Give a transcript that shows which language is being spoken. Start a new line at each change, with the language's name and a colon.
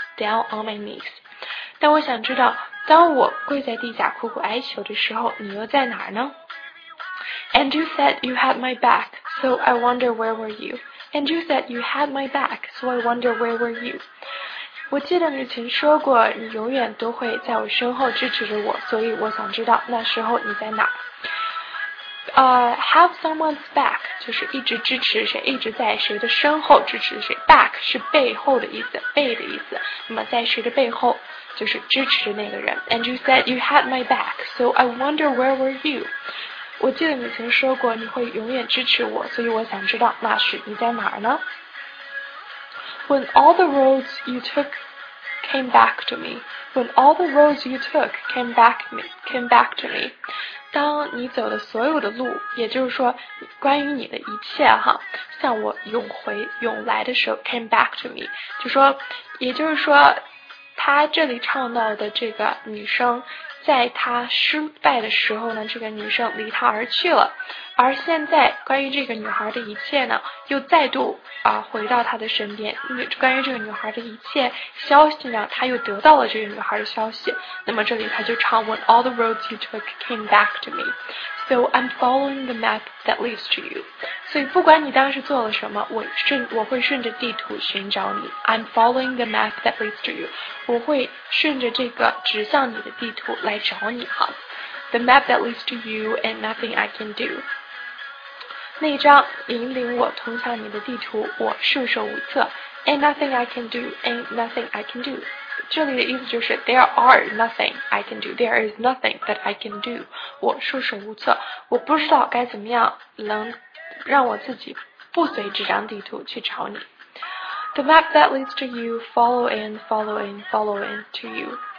English: Down on my knees
Chinese: 但我想知道当我跪在地下苦苦哀求的时候你又在哪儿呢
English: And you said you had my back So I wonder where were youAnd you said you had my back, so I wonder where were you?
Chinese: 我记得你曾说过你永远都会在我身后支持着我所以我想知道那时候你在哪。
English: Have someone's back,
Chinese: 就是一直支持谁一直在谁的身后支持谁。 Back 是背后的意思背的意思。那么在谁的背后就是支持那个人。
English: And you said you had my back, so I wonder where were you?
Chinese: 我记得你曾说过你会永远支持我，所以我想知道那时你在哪儿呢 ？
English: When all the roads you took came back to me,
Chinese: when all the roads you took
English: came back to me，
Chinese: 当你走的所有的路，也就是说关于你的一切哈，向我涌回涌来的时候 came back to me， 就说，也就是说，他这里唱到的这个女生。在他失败的时候呢，这个女生离他而去了，而现在关于这个女孩的一切呢，又再度回到他的身边。关于这个女孩的一切消息呢，他又得到了这个女孩的消息。那么这里他就唱
English: When all the roads you took came back to me, so I'm following the map that leads to you.
Chinese: 所以不管你当时做了什么，我会顺着地图寻找你。
English: I'm following the map that leads to you.
Chinese: 我会顺着这个指向你的地图。来找你哈
English: The map that leads to you and nothing I can do
Chinese: 那张引领我通向你的地图我束手无策
English: And nothing I can do and nothing I can do
Chinese: 这里的意思就是
English: There are nothing I can do There is nothing that I can do
Chinese: 我束手无策我不知道该怎么样能让我自己不随这张地图去找你
English: The map that leads to you follow in follow in follow in to you